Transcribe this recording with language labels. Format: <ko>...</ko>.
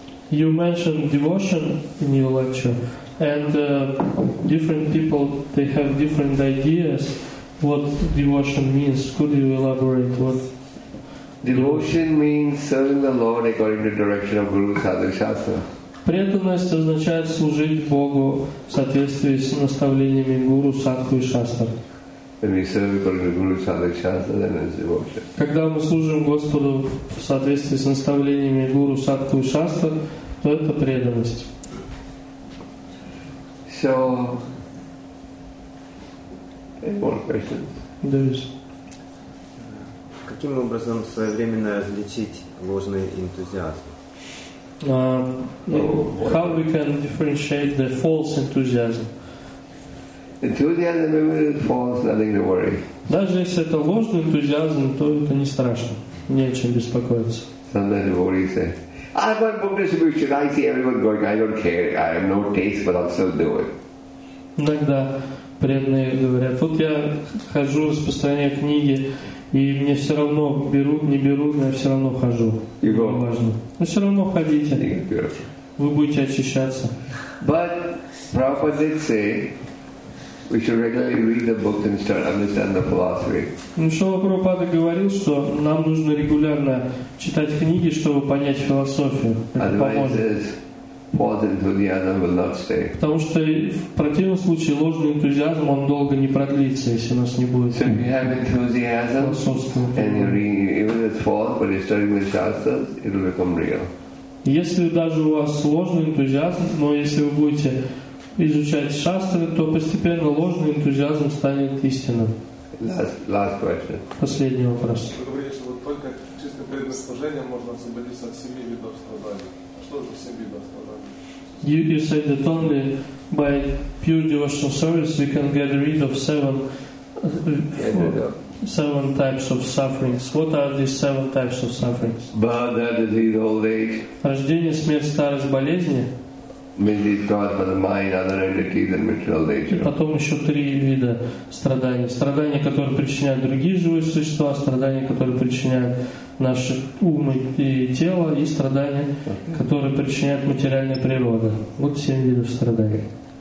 <en>You mentioned devotion in your lecture, and different people, they have different ideas what devotion means. Could you elaborate what? Devotion means serving the Lord according to the direction of Guru Sadhu Shastra.</en> <ru>Преданность означает служить Богу в соответствии с наставлениями Гуру Садху и Шастры.</ru> <en>When we serve according to Guru Sadhu Shastra, then it's devotion.</en> <ru>Когда мы служим Господу в соответствии с наставлениями Гуру Садху и Шастры, то это преданность.</ru> <en>So, any more questions? There is.</en> <ru>Каким образом своевременно различить ложный энтузиазм?</ru> <en>How we can differentiate the false enthusiasm? Enthusiasm is false, nothing to worry.</en> <ru>Даже если это ложный энтузиазм, то это не страшно. Не о чем беспокоиться.</ru> <en>Sometimes the devotees say, I want book distribution, I see everyone going, I don't care, I have no taste, but I'll still do it.</en> <ru>Иногда преданные говорят, вот я хожу распространяю книги, и мне все равно берут, не берут, но я все равно хожу. Его важно. Но все равно ходите. Вы будете очищаться.</ru> <en>But Prabhupada did say we should regularly read the books and start understand the philosophy.</en> <ru>Ну что Прабхупада говорил, что нам нужно регулярно читать книги, чтобы понять философию. Это поможет.</ru> <en>False enthusiasm will not stay.</en> <ru>Потому что в противном случае ложный энтузиазм он долго не продлится, если у нас не будет.</ru> <en>So you have enthusiasm, and you read, even if it's false, but you're studying the shastras, it will become real.</en> <ru>Если даже у вас ложный энтузиазм, но если вы будете изучать шастры, то постепенно ложный энтузиазм станет истинным.</ru> <en>Last question.</en> <ru>Последний вопрос. Вы говорите, что вот только чисто преданным служением можно освободиться от 7 видов страданий.</ru> <en>You said that only by pure devotional service we can get rid of seven types of sufferings. What are these 7 types of sufferings? Birth, disease, old age.</en> <ru>Рождение, смерть, старость, болезни.</ru> <en>Misery caused by the mind, other entities, and material nature.</en> <ru>И потом еще 3 вида страданий: страдания, которые причиняют другие живые существа, страдания, которые причиняют наши умы и тело, и страдания, которые причиняют материальная природа. Вот 7 видов страданий.</ru>